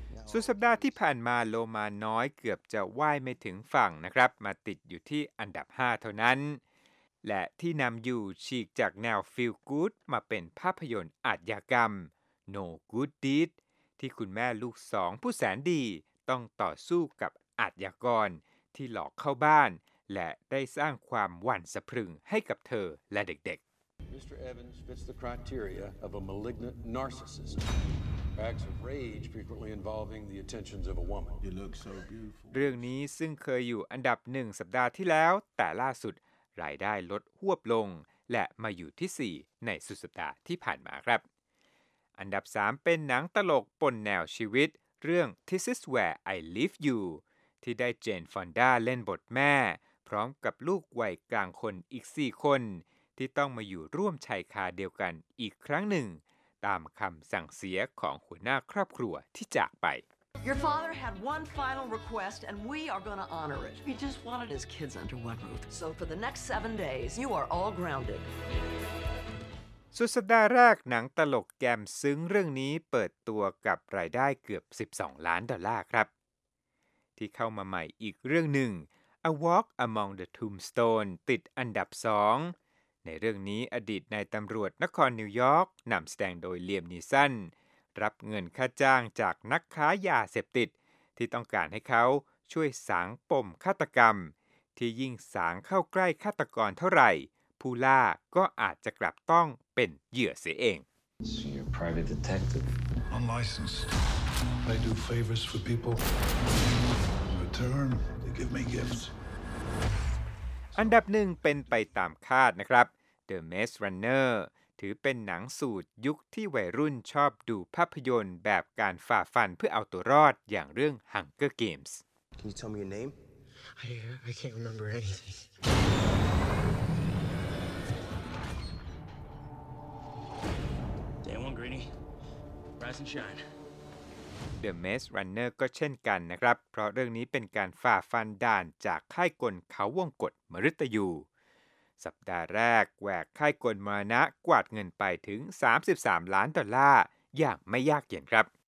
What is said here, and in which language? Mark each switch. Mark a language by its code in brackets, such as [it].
[th] สุดสัปดาห์ที่ผ่านมาโลมาน้อยเกือบจะว่ายไม่ถึงฝั่งนะครับมาติดอยู่ที่อันดับ5เท่านั้นและที่นำอยู่ฉีกจากแนว Feel Good มาเป็นภาพยนตร์อาชญากรรม No Good Deed ที่คุณแม่ลูก2ผู้แสนดีต้องต่อสู้กับอาชญากรที่หลอกเข้าบ้านและได้สร้างความหวั่นสะพรึงให้กับเธอและเด็กๆMr. [en] Evans fits the criteria of a malignant narcissism. Acts of rage frequently involving the attentions of a woman. You look so beautiful. [th] เรื่องนี้ซึ่งเคยอยู่อันดับ1สัปดาห์ที่แล้วแต่ล่าสุดรายได้ลดหวบลงและมาอยู่ที่4ในสุดสัปดาห์ที่ผ่านมาครับ อันดับ3เป็นหนังตลกปนแนวชีวิตเรื่อง This is where I live you ที่ได้เจนฟอนด้าเล่นบทแม่พร้อมกับลูกวัยกลางคนอีก4คนที่ต้องมาอยู่ร่วมชายคาเดียวกันอีกครั้งหนึ่งตามคำสั่งเสียของหัวหน้าครอบครัวที่จากไป [en] Your father had one final request and we are going to honor it. He just wanted his kids under one roof. So for the next 7 days you are all grounded. [th] สุดสัปดาห์แรกหนังตลกแกมซึ้งเรื่องนี้เปิดตัวกับรายได้เกือบ12ล้านดอลลาร์ครับที่เข้ามาใหม่อีกเรื่องหนึ่ง A Walk Among the Tombstone ติดอันดับ2ในเรื่องนี้อดีตนายตำรวจนครนิวยอร์กนำแสดงโดยเลียมนีสัน รับเงินค่าจ้างจากนักค้ายาเสพติดที่ต้องการให้เขาช่วยสางปมฆาตกรรมที่ยิ่งสางเข้าใกล้ฆาตกรเท่าไหร่ผู้ล่าก็อาจจะกลับต้องเป็นเหยื่อเสียเอง [en] You're private detective unlicensed I do favors for people in return they give me gifts [th] อันดับ1เป็นไปตามคาดนะครับ The Maze Runner ถือเป็นหนังสูตรยุคที่วัยรุ่นชอบดูภาพยนตร์แบบการฝ่าฟันเพื่อเอาตัวรอดอย่างเรื่อง Hunger Games [en] Can you tell me your name? I can't remember anything. Day one, Greeny. Rise and shine. [th] The Maze Runner ก็เช่นกันนะครับเพราะเรื่องนี้เป็นการฝ่าฟันด่านจากค่ายกลเขาวงกตมฤตยูสัปดาห์แรกแหวกค่ายกลมรณะกวาดเงินไปถึง$33 ล้านอย่างไม่ยากเย็นครับ